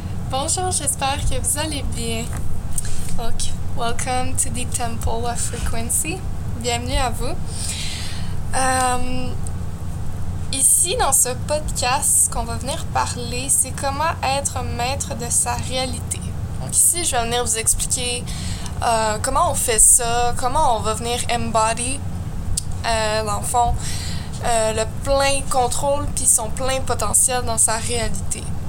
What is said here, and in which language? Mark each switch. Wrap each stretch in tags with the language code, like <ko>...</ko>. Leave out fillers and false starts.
<fr>Bonjour, j'espère que vous allez bien.</fr> <en>Donc, welcome to the Temple of Frequency.</en> <fr>Bienvenue à vous. Ici, dans ce podcast, ce qu'on va venir parler, c'est comment être maître de sa réalité. Donc ici, je vais venir vous expliquer comment on fait ça, comment on va venir embody, le plein contrôle puis son plein potentiel dans sa réalité.</fr>